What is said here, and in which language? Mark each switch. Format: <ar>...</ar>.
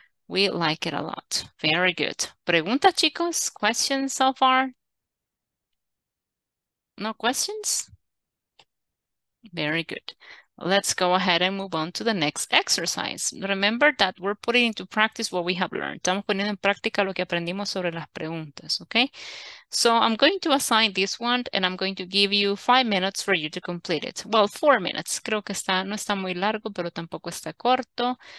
<en>We like it a lot. Very good.</en> <es>Pregunta, chicos?</es> <en>Questions so far? No questions? Very good. Let's go ahead and move on to the next exercise. Remember that we're putting into practice what we have learned.</en> <es>Estamos poniendo en práctica lo que aprendimos sobre las preguntas, okay?</es> <en>So I'm going to assign this one and I'm going to give you 5 minutes for you to complete it. Well, 4 minutes.</en> <es>Creo que está, no está muy largo, pero tampoco está corto.</es>